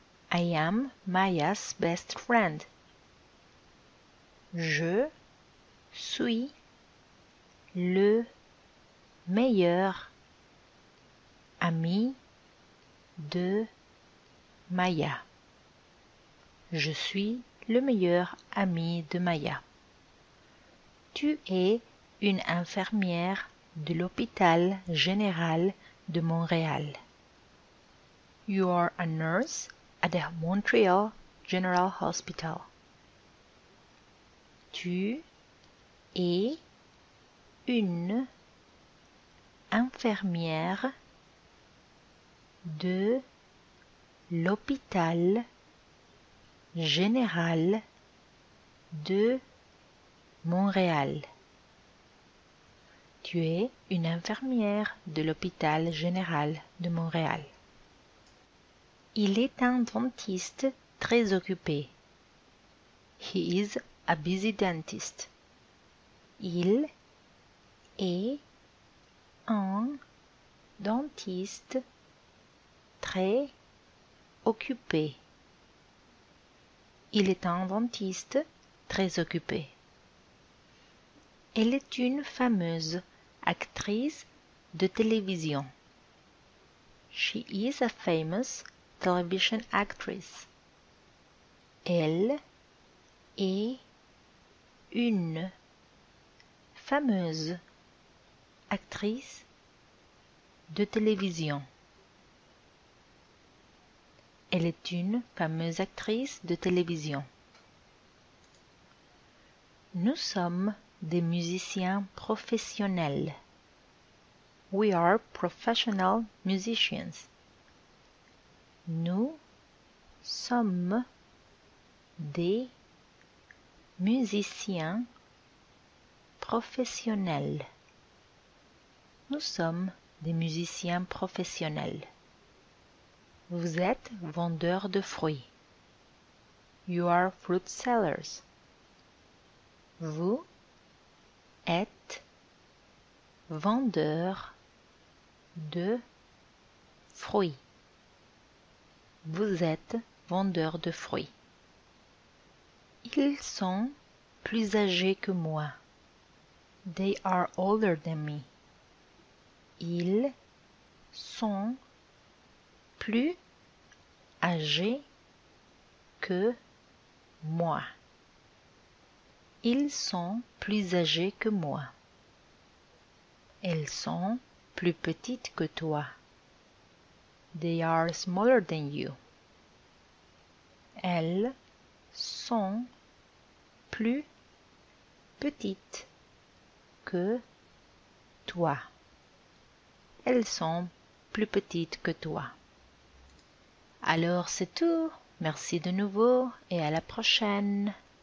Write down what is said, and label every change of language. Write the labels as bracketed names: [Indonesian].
[English] I am Maya's best friend. [French] Je suis le meilleur ami de Maya. Je suis le meilleur ami de Maya. Tu es une infirmière de l'hôpital général de Montréal. [English] You are a nurse at the Montreal General Hospital. [French] Tu es une infirmière de l'hôpital général de Montréal. Tu es une infirmière de l'hôpital général de Montréal. Il est un dentiste très occupé. [English] He is a busy dentist. [French] Il est un dentiste très occupé. Il est un dentiste très occupé. Elle est une fameuse actrice de télévision. [English] She is a famous television actress. [French] Elle est une fameuse actrice de télévision. Elle est une fameuse actrice de télévision. Nous sommes des musiciens professionnels. [English] We are professional musicians. [French] Nous sommes des musiciens professionnels. Nous sommes des musiciens professionnels. Vous êtes vendeur de fruits. [English] You are fruit sellers. [French] Vous êtes vendeur de fruits. Vous êtes vendeur de fruits. Ils sont plus âgés que moi. [English] They are older than me. [French] Ils sont plus âgés que moi. Ils sont plus âgés que moi. Elles sont plus petites que toi. [English] They are smaller than you. [French] Elles sont plus petites que toi. Elles sont plus petites que toi. Alors c'est tout. Merci de nouveau et à la prochaine.